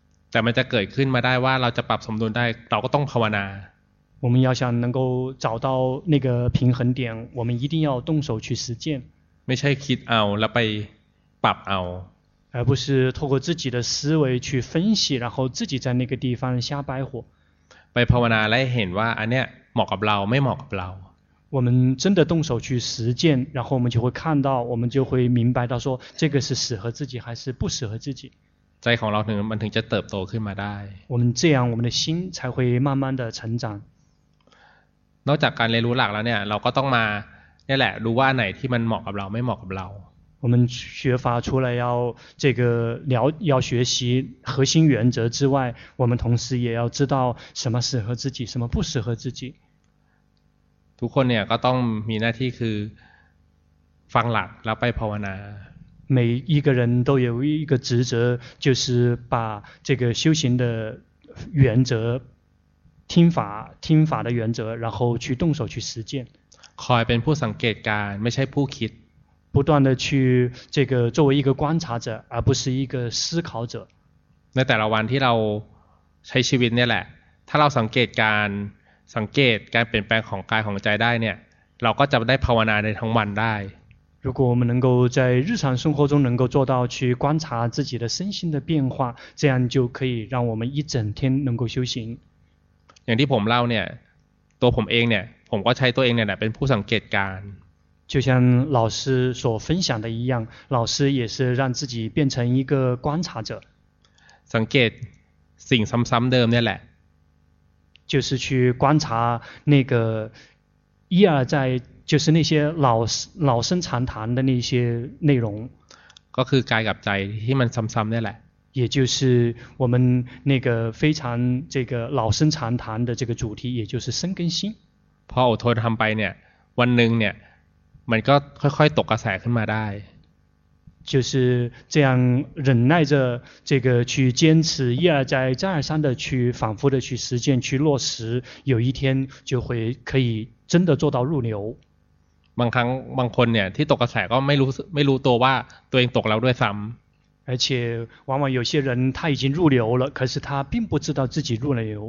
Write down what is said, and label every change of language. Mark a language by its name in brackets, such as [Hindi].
[Thai] แต่มันจะเกิดขึ้นมาได้ว่าเราจะปรับสมดุลได้เราก็ต้องภาวนา [Chinese] 我们要想能够找到那个平衡点我们一定要动手去实践 [Thai] ไม่ใช่คิดเอาแล้วไปปรับเอา [Chinese] 而不是透过自己的思维去分析然后自己在那个地方瞎掰火 [Thai] ไปภาวนาและเห็นว่าอันเนี้ยเหมาะกับเราไม่เหมาะกับเรา [Chinese] 我们真的动手去实践然后我们就会看到我们就会明白到说这个是适合自己还是不适合自己 [Thai] ใจของเรามันถึงจะเติบโตขึ้นมาได้ [Chinese] 我们这样我们的心才会慢慢的成长 [Thai] นอกจากการเรียนรู้หลักแล้วเนี่ยเราก็ต้องมาเนี่ยแหละรู้ว่าไหนที่มันเหมาะกับเราไม่เหมาะกับเรา [Chinese] 我们学法除了要这个了要学习核心原则之外我们同时也要知道什么适合自己什么不适合自己 [Thai] ทุกคนเนี่ยก็ต้องมีหน้าที่คือฟังหลักแล้วไปภาวนา [Chinese] 每一个人都有一个职责就是把这个修行的原则听法的原则然后去动手去实践 [Thai] คอยเป็นผู้สังเกตการไม่ใช่ผู้คิด [Chinese] 不断的去这个作为一个观察者而不是一个思考者 [Thai] ในแต่ละวันที่เราใช้ชีวิตเนี่ยแหละถ้าเราสังเกตการสังเกตการเปลี่ยนแปลงของกายของใจได้เนี่ยเราก็จะได้ภาวนาในทั้งวันได้ [Chinese] 如果我们能够在日常生活中能够做到去观察自己的身心的变化这样就可以让我们一整天能够修行 [Thai] อย่างที่ผมเล่าเนี่ยตัวผมเองเนี่ยผมก็ใช้ตัวเองเนี่ยแหละเป็นผู้สังเกตการ [Chinese] 就像老师所分享的一样老师也是让自己变成一个观察者 [Thai] สังเกตสิ่งซ้ำๆเดิมเนี่ยแหละ [Chinese] 就是去观察那个一而再就是那些老生常谈的那些内容 [Thai] ก็คือกายกับใจที่มันซ้ำๆนี่แหละ [Chinese] 也就是我们那个非常这个老生常谈的这个主题也就是生根心 [Thai] พออดทนทำไปเนี่ยวันหนึ่งเนี่ยมันก็ค่อยๆตกกระแสขึ้นมาได้ [Chinese] 就是这样忍耐着这个去坚持一而再再而三的去反复的去实践去落实有一天就会可以真的做到入流 [Thai] บางครั้งบางคนเนี่ยที่ตกกระแสก็ไม่รู้ตัวว่าตัวเองตกแล้วด้วยซ้ำ [Chinese] 而且往往有些人他已经入流了可是他并不知道自己入流